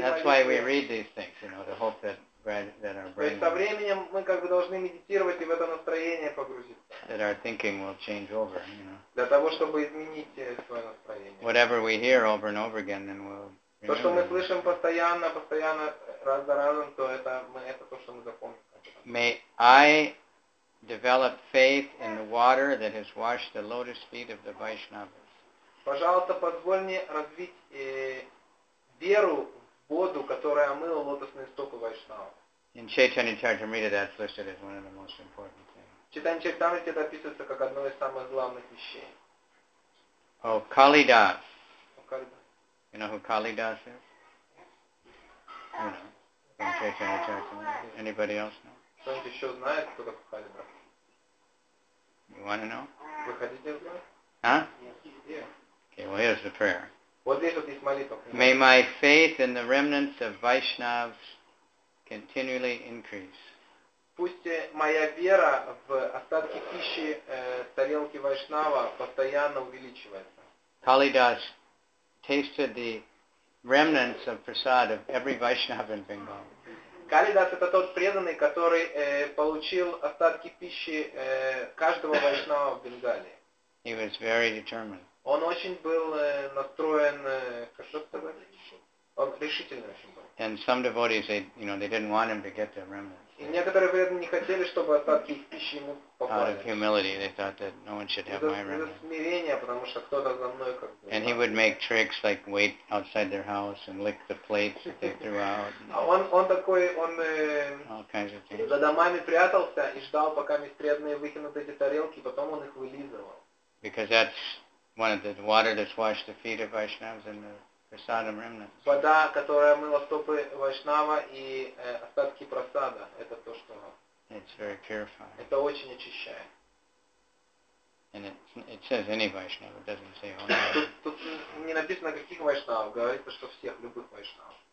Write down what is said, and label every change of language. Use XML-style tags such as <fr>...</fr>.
<en>That's why we read these things, you know, to hope that our brain...</en> <ru>То есть со временем мы как бы должны медитировать и в это настроение погрузиться.</ru> <en>That our thinking will change over, you know.</en> <ru>Для того, чтобы изменить свое настроение.</ru> <en>Whatever we hear over and over again, then we'll...</en> <ru>То, что мы слышим постоянно, раз за разом, то это то, что мы запомним.</ru> <en>May I develop faith in the water that has washed the lotus feet of the Vaishnavas.</en> <ru>Пожалуйста, позволь мне развить... веру в воду, которая омыла лотосные стопы Вайшнава.</ru> <en>In Chaitanya Charitamrita that's listed as one of the most important things.</en> <ru>В Chaitanya Charitamrita это описывается как одно из самых главных вещей. О, Калидас. Калидас.</ru> <en>You know who Калидас is? Yeah. You know, from Chaitanya Charitamrita. Anybody else know?</en> <ru>Кто-нибудь еще знает, кто такой Калидас?</ru> <en>You want to know?</en> <ru>Вы хотите узнать? Huh?</ru> <en>Yeah. Okay, well, here's the prayer. What is this malito? May my faith in the remnants of Vaishnavas continually increase.</en> <ru>Пусть моя вера в остатки пищи тарелки Вайшнава постоянно увеличивается.</ru> <en>Kalidas tasted the remnants of prasad of every Vaishnava in Bengal.</en> <ru>Kalidas это тот преданный, который получил остатки пищи каждого Вайшнава в Бенгалии.</ru> <en>He was very determined.</en> <ru>Он очень был настроен, как сказать, он решительный очень был.</ru> <en>And some devotees, they, you know, they didn't want him to get the remnants.</en> <ru>И некоторые преданные не хотели, чтобы остатки пищи ему попали.</ru> <en>Out of humility, they thought that no one should have my remnants.</en> <ru>Из-за смирения, потому что кто-то за мной как.</ru> <en>And he would make tricks like wait outside their house and lick the plates that they threw out.</en> <ru>Он такой, он.</ru> <en>All kinds of things.</en> <ru>За домами прятался и ждал, пока преданные выкинут эти тарелки, потом он их вылизывал.</ru> <en>Because that's one of the water that's washed the feet of Vaishnavas and the prasadam remnants.</en> <ru>Вода, которая мыла стопы Вайшнава и остатки прасада, это то, что.</ru> <en>It's very purifying.</en> <ru>Это очень очищает.</ru> <en>And it says any Vaishnava, it doesn't say only.</en> <ru>Тут не написано каких Вайшнав, говорится, что всех любых Вайшнав.</ru>